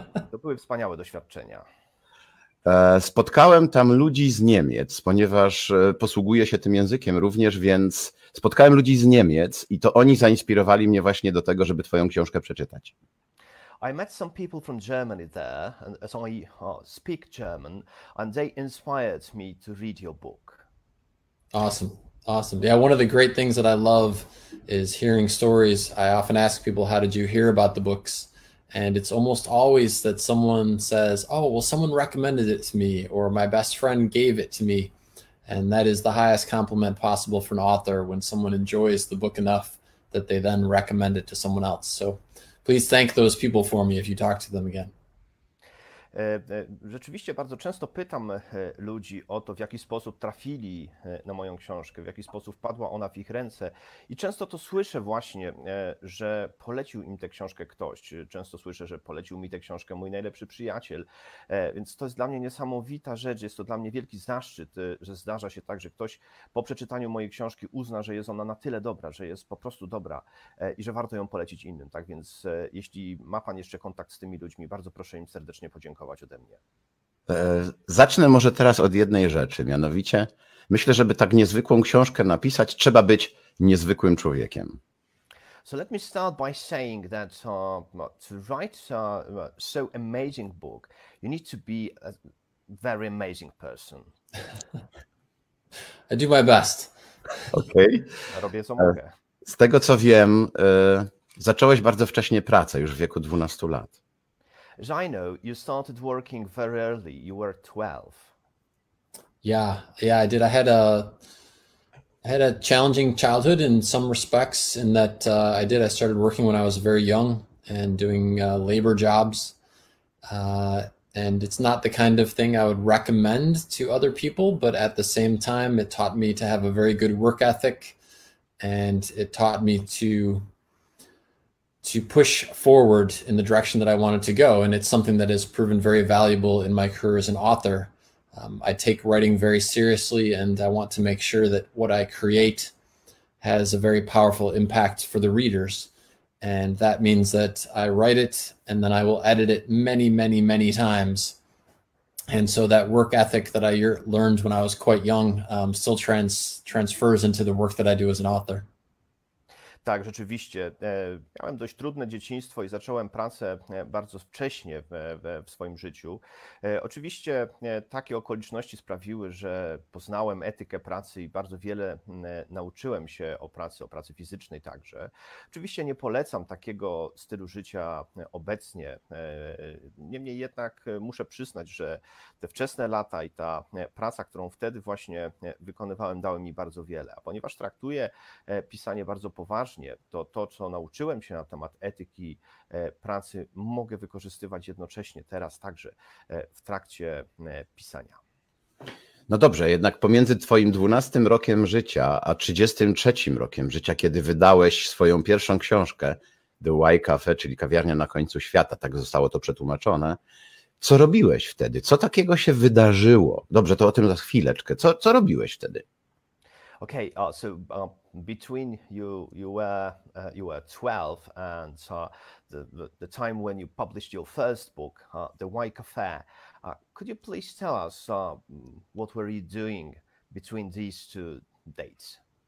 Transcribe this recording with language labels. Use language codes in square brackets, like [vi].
[pl] To były wspaniałe doświadczenia. Spotkałem tam ludzi z Niemiec, ponieważ posługuję się tym językiem również, więc spotkałem ludzi z Niemiec i to oni zainspirowali mnie właśnie do tego, żeby twoją książkę przeczytać. [en] I met some people from Germany there, and so I speak German, and they inspired me to read your book. Awesome. Awesome. Yeah, one of the great things that I love is hearing stories. I often ask people, how did you hear about the books? And it's almost always that someone says, oh, well, someone recommended it to me, or my best friend gave it to me. And that is the highest compliment possible for an author, when someone enjoys the book enough that they then recommend it to someone else. So please thank those people for me if you talk to them again. [pl] Rzeczywiście bardzo często pytam ludzi o to, w jaki sposób trafili na moją książkę, w jaki sposób wpadła ona w ich ręce. I często to słyszę właśnie, że polecił im tę książkę ktoś. Często słyszę, że polecił mi tę książkę mój najlepszy przyjaciel. Więc to jest dla mnie niesamowita rzecz. Jest to dla mnie wielki zaszczyt, że zdarza się tak, że ktoś po przeczytaniu mojej książki uzna, że jest ona na tyle dobra, że jest po prostu dobra i że warto ją polecić innym. Tak więc jeśli ma pan jeszcze kontakt z tymi ludźmi, bardzo proszę im serdecznie podziękować ode mnie. Zacznę może teraz od jednej rzeczy, mianowicie myślę, żeby tak niezwykłą książkę napisać, trzeba być niezwykłym człowiekiem. [en] So let me start by saying that to write so amazing book, you need to be a very amazing person. I do my best. [pl] Okej. Okay. Robię co mogę. Z tego co wiem, zacząłeś bardzo wcześnie pracę, już w wieku 12 lat. [en] As I know, you started working very early. You were 12. Yeah, I did. I had a challenging childhood in some respects, in that I did. I started working when I was very young and doing labor jobs. And it's not the kind of thing I would recommend to other people, but at the same time, it taught me to have a very good work ethic, and it taught me to push forward in the direction that I wanted to go. And it's something that has proven very valuable in my career as an author. I take writing very seriously, and I want to make sure that what I create has a very powerful impact for the readers. And that means that I write it and then I will edit it many, many, many times. And so that work ethic that I learned when I was quite young still transfers into the work that I do as an author. [pl] Tak, rzeczywiście. Miałem dość trudne dzieciństwo i zacząłem pracę bardzo wcześnie w swoim życiu. Oczywiście takie okoliczności sprawiły, że poznałem etykę pracy i bardzo wiele nauczyłem się o pracy fizycznej także. Oczywiście nie polecam takiego stylu życia obecnie. Niemniej jednak muszę przyznać, że te wczesne lata i ta praca, którą wtedy właśnie wykonywałem, dały mi bardzo wiele. A ponieważ traktuję pisanie bardzo poważnie, to, co nauczyłem się na temat etyki pracy, mogę wykorzystywać jednocześnie teraz także w trakcie pisania. No dobrze, jednak pomiędzy twoim 12 rokiem życia a 33 rokiem życia, kiedy wydałeś swoją pierwszą książkę, The Y Cafe, czyli Kawiarnia na końcu świata, tak zostało to przetłumaczone, co robiłeś wtedy? Co takiego się wydarzyło? Dobrze, to o tym za chwileczkę. Co robiłeś wtedy? [en] Okay, so between you were 12 and the time when you published your first book, The Y Cafe, could you please tell us what were you doing between these two dates?